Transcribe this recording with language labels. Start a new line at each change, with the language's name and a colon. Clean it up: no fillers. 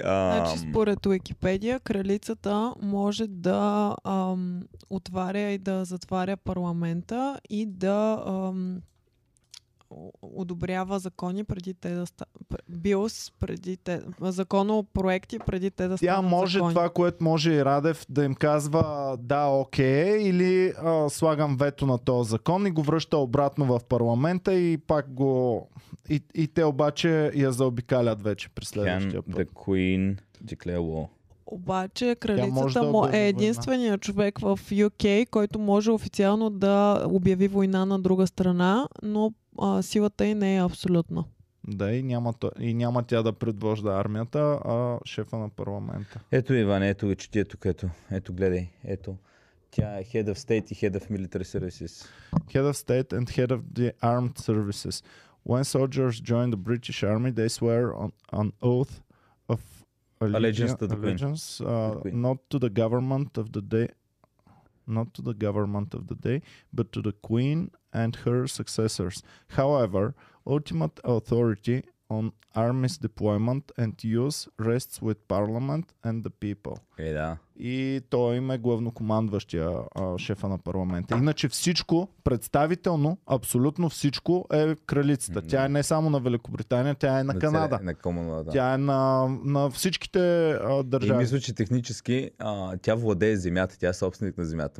Bulgarian: Значи според Уикипедия, кралицата може да отваря и да затваря парламента и да одобрява закони преди те да законопроекти преди те да станат закони. Тя може закони. Това, което може и Радев да им казва да, окей, или слагам вето на този закон и го връща обратно в парламента и пак го... И те обаче я заобикалят вече при следващия
English: път. Can the queen declare war?
Bulgarian: Обаче кралицата му е единственият човек в UK, който може официално да обяви война на друга страна, но силата и не е абсолютна. Да, и няма тя да предвожда армията, а шефа на парламента. Ето, Иван, ето ви, че ти е тук, ето гледай, ето. Тя е Head of State и Head of Military Services.
English: Head of State and Head of the Armed Services. When soldiers join the British Army, they swear an oath of allegiance to the allegiance, queen. Not to the government of the day, but to the queen and her successors. However, ultimate authority on army's deployment and use rests with parliament and the people.
Bulgarian: Е, да. И той им е главнокомандващия шефа на парламента. Иначе всичко, представително, абсолютно всичко е кралицата. Mm-hmm. Тя е не само на Великобритания, тя е на Канада. На Комунала, да. Тя е на всичките държави. И мисля, че технически тя владее земята, тя е собственик на земята.